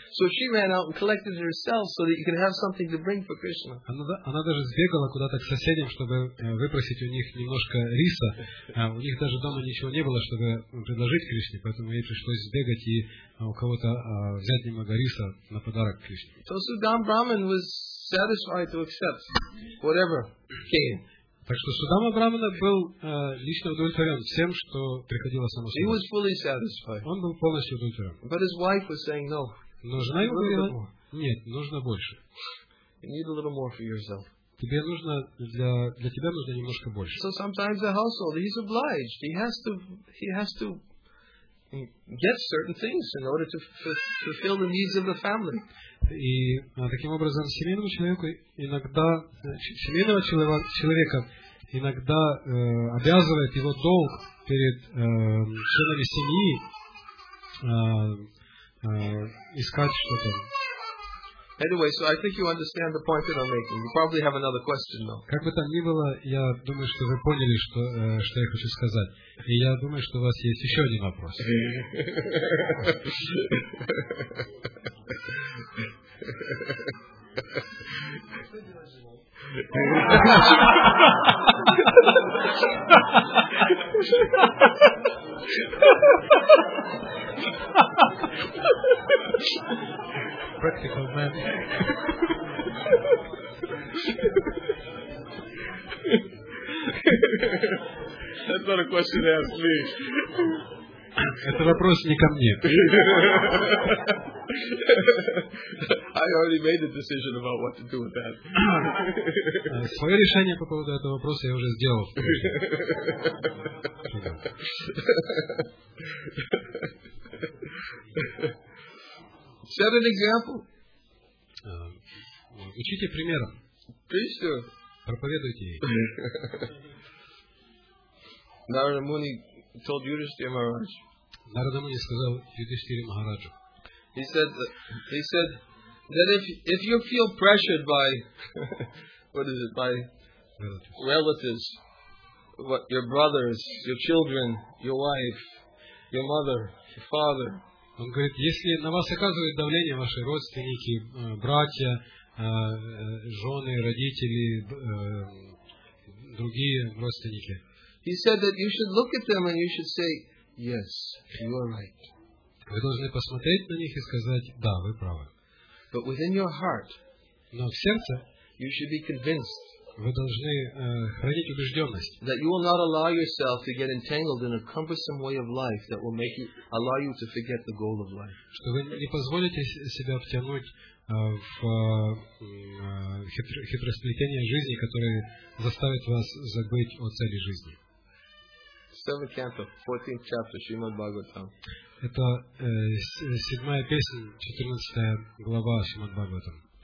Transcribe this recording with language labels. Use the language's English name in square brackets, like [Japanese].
[English] So she ran out and collected it herself so that you can have something to bring for Krishna. [Russian] Она даже сбегала куда-то к соседям, чтобы выпросить у них немножко риса. У них даже дома ничего не было, чтобы предложить Кришне, поэтому ей пришлось сбегать и у кого-то взять немного риса на подарок Кришне. [English] So Sudam Brahman was satisfied to accept whatever came. [Russian] Так что Судама Брахмана был лично удовлетворен всем, что приходило само собой. Он был полностью удовлетворен. [English] But his wife was saying, no, [Russian] но жена ему говорила, нет, нужно больше. [English] You need a little more for yourself. [Russian] Тебе нужно, для тебя нужно немножко больше. [English] So sometimes the household, he's obliged. He has to get certain things in order to fulfill the needs of the family. [Russian] И таким образом семейному человеку иногда семейного человека иногда обязывает его долг перед членами семьи искать что-то. [English] Anyway, so I think you understand the point that I'm making. You probably have another question, though. [Russian] Как бы там ни было, я думаю, что вы поняли, что я хочу сказать. И я думаю, что у вас есть еще один вопрос. [English] Practical man. That's not a question to ask me. [Russian] Это вопрос не ко мне. [English] I already made the decision about what to do with that. [Russian] Своё решение по поводу этого вопроса я уже сделал. [English] Set an example. [Russian] Учите примером. [English] Please. [Russian] Проповедуйте ей. [English] Narada Muni told Yudhishthira Maharaj. [Russian] Narada Muni сказал Yudhishthira Maharaju. [English] He said that if you feel pressured by what is it, by relatives, what, your brothers, your children, your wife, your mother, your father, [Russian] Он говорит, если на вас оказывают давление ваши родственники, братья, жены, родители, другие родственники. [English] He said that you should look at them and you should say, yes, you are right. [Russian] Вы должны посмотреть на них и сказать, да, вы правы. [English] But within your heart, [Russian] но в сердце [English] you should be convinced. [Russian] Вы должны хранить убежденность. [English] That you will not allow yourself to get entangled in a cumbersome way of life that will make you allow you to forget the goal of life. [Russian] Что вы не позволите себя втянуть в хитросплетение жизни, которое заставит вас забыть о цели жизни. [English] 7th canto, 14th chapter, Shrimad Bhagavatam. [Russian] Это седьмая песня, 14 глава Шримад Бхагаватам.